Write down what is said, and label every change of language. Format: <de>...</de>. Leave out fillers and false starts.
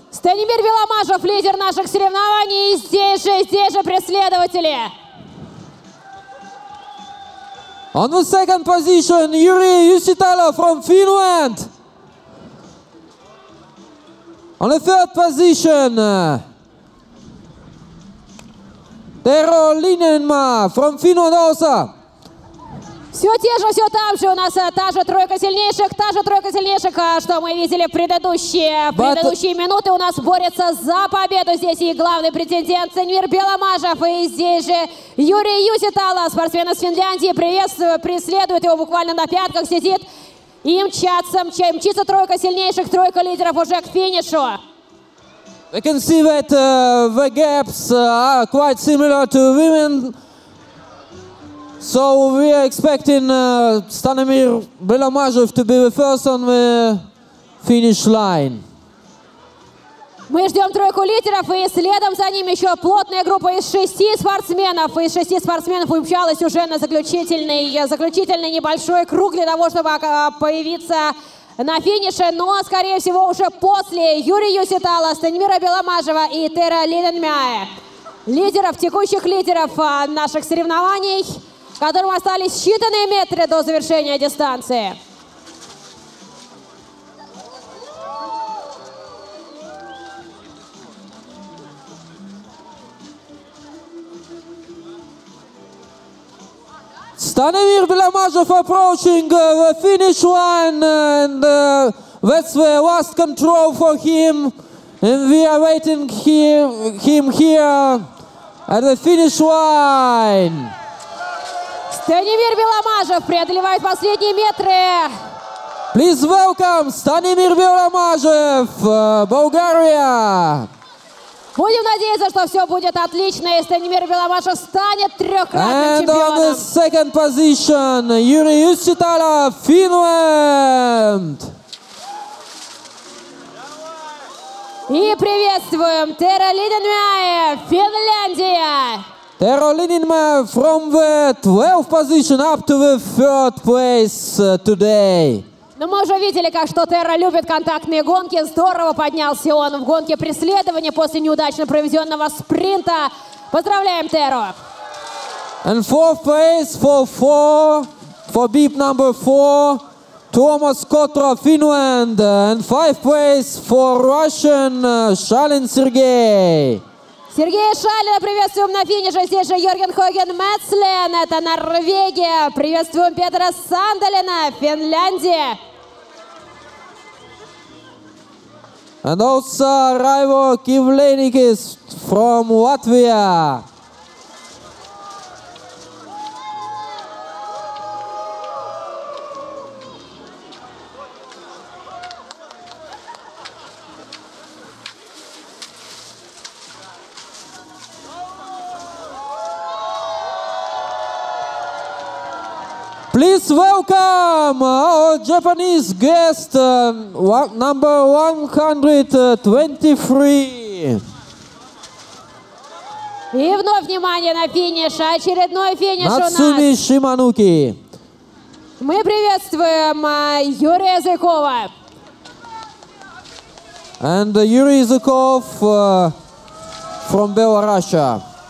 <ru>Stanimir Beломажев, лидер наших соревнований, здесь же преследователи.</ru> <en>On the second position, Юрий Юситала from Finland. On the third position, Tero Linenma from Finland also.</en> <ru>Все там же у нас та же тройка сильнейших, что мы видели в предыдущие минуты. У нас борется за победу здесь и главный претендент Станимир Беломажев. И здесь же Юрий Юситала, спортсмен из Финляндии, преследует его, буквально на пятках сидит. И мчится тройка сильнейших, тройка лидеров уже к финишу.</ru> <en>We can see that the gaps are quite similar to women. So we are expecting Stanimir Belomazov to be the first on the finish line.</en> <ru>Мы ждем тройку лидеров, и следом за ним еще плотная группа из шести спортсменов. Из шести спортсменов умчалась уже на заключительный небольшой круг для того, чтобы появиться на финише. Но, скорее всего, уже после Юрия Юситала, Станимира Беломажева и Тера Лиденмяе. Лидеров, текущих лидеров наших соревнований, которым остались считанные метры до завершения дистанции.</ru> <en>Stanimir Belomazov approaching the finish line, and that's the last control for him. And we are waiting him here at the finish line.</en> <ru>Stanimir Belomazov преодолевает последние метры.</ru> <en>Please welcome Stanimir Belomazov, Bulgaria.</en> <ru>Будем надеяться, что все будет отлично, и Станимир Беломажев станет трехкратным чемпионом.</ru> <en>And on the second position, Юрий Юситала, Финланд.</en> <ru>И приветствуем Тера Лиденмяе, Финляндия.</ru> <en>Тера Лиденмяе from the 12th position up to the third place today.</en> <ru>Но мы уже видели, как что Терра любит контактные гонки. Здорово поднялся он в гонке преследования после неудачно проведенного спринта. Поздравляем Терру.</ru> <en>And fourth place for beep number four, Tuomas Kotro, Finland. And fifth place for Russian Шалин Сергей.</en> <ru>Сергея Шалина приветствуем на финише. Здесь же Йорген Хоген Мэтслен, это Норвегия. Приветствуем Петра Сандалина, Финляндия.</ru> <en>And also Raivo Kivlenikis from Latvia. Please welcome our Japanese guest, number 123.</en> <ru>И вновь внимание на финиш, очередной финиш Нацуми у нас. Шиманоки. Мы приветствуем Юрия Языкова.</ru> <en>And Юрий Языков from Belarusia.</en>